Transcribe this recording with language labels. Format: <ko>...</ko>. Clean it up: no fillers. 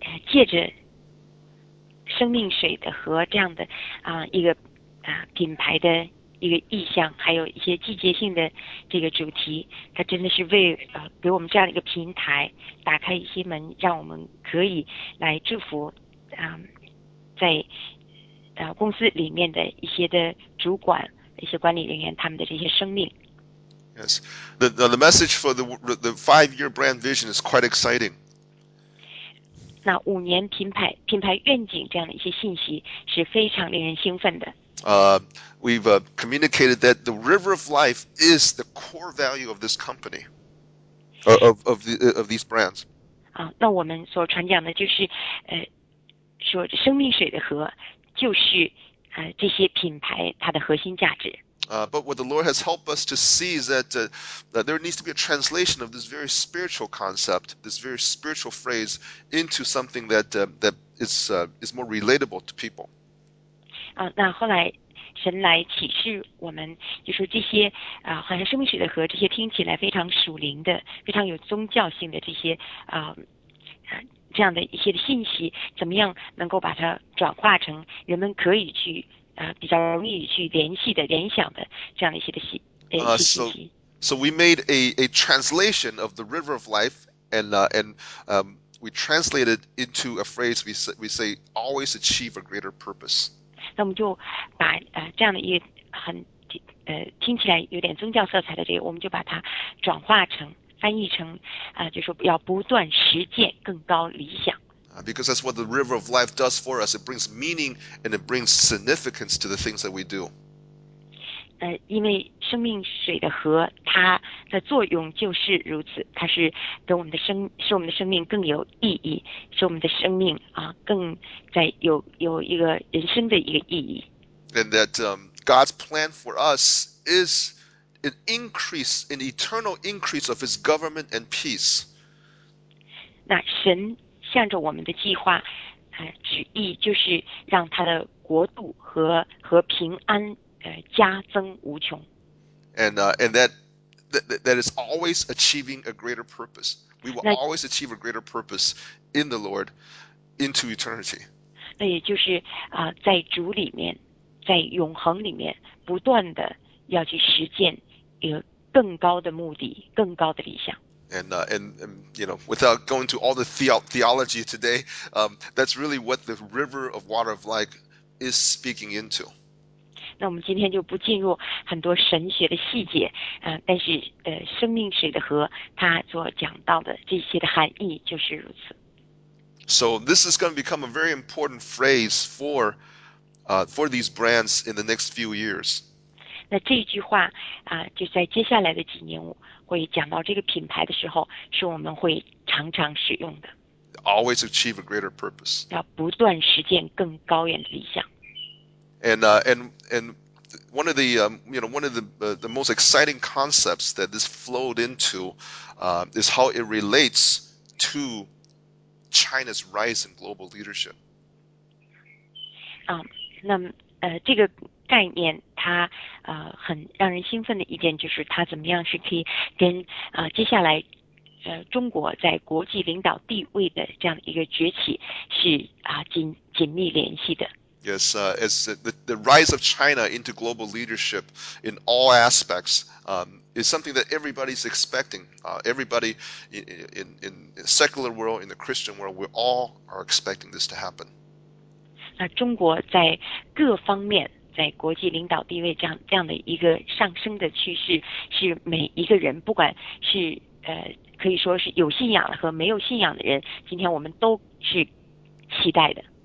<zh>借着生命水的和这样的一个品牌的一个意向，还有一些季节性的这个主题，它真的是为给我们这样一个平台打开一些门，让我们可以来祝福在公司里面的一些的主管，一些管理人员，他们的这些生命。</zh> <en>Yes, the message for the 5-year brand vision is quite exciting.</en> <zh>那五年品牌愿景这样的一些信息是非常令人兴奋的。</zh> <en>We've communicated that the river of life is the core value of this company, of these brands.</en> <zh>那我们所传讲的就是说生命水的河。就是这些品牌它的核心价值。</zh> <en>But what the Lord has helped us to see is that there needs to be a translation of this very spiritual concept, this very spiritual phrase, into something that is more relatable to people.</en> <zh>那后来神来启示我们，就说这些好像生命水的河，这些听起来非常属灵的、非常有宗教性的这些这样的一些的信息，怎么样能够把它转化成人们可以去比较容易去联系的、联想的这样一些的信息。</zh> <en>So we made a translation of the river of life and we translated into a phrase we say always achieve a greater purpose.</en> <zh>那我们就把这样的一个很听起来有点宗教色彩的这个，我们就把它转化成。翻译成就是要不断实践更高理想。</zh> <en>Because that's what the river of life does for us. It brings meaning and it brings significance to the things that we do.</en> <zh>因为生命水的河，它的作用就是如此，它是给我们的使我们的生命更有意义，使我们的生命更在有一个人生的一个意义。</zh> <en>And that God's plan for us is. An increase, an eternal increase of His government and peace.</en> <zh>那神向着我们的计划，旨意就是让他的国度和平安加增无穷。</zh> <en>And that is always achieving a greater purpose. We will always achieve a greater purpose in the Lord into eternity.</en> <zh>那也就是在主里面，在永恒里面，不断的要去实践。更高的目的，更高的理想。</zh> <en>And you know, without going to all the theology today, that's really what the river of water of life is speaking into.</en> <zh>那我们今天就不进入很多神学的细节，但是生命水的河它所讲到的这些的含义就是如此。</zh> <en>So this is going to become a very important phrase for these brands in the next few years.</en> <zh>那这句话就在接下来的几年会讲到这个品牌的时候，是我们会常常使用的。</zh> <en>Always achieve a greater purpose.</en> <zh>要不断实践更高远的理想。</zh> <en>And one of the most exciting concepts that this flowed into, is how it relates to China's rise in global leadership.</en> <zh>这个概念它很让人兴奋的一点就是它怎么样是可以跟接下来中国在国际领导地位的这样一个崛起是紧密联系的。</zh> <en>Yes, as the rise of China into global leadership in all aspects, is something that everybody's expecting. Everybody in the secular world, in the Christian world, we all are expecting this to happen.</en> <zh>那中国在各方面在国际领导地位这样的一个上升的趋势，是每一个人不管是可以说是有信仰和没有信仰的人，今天我们都是期待的。</zh>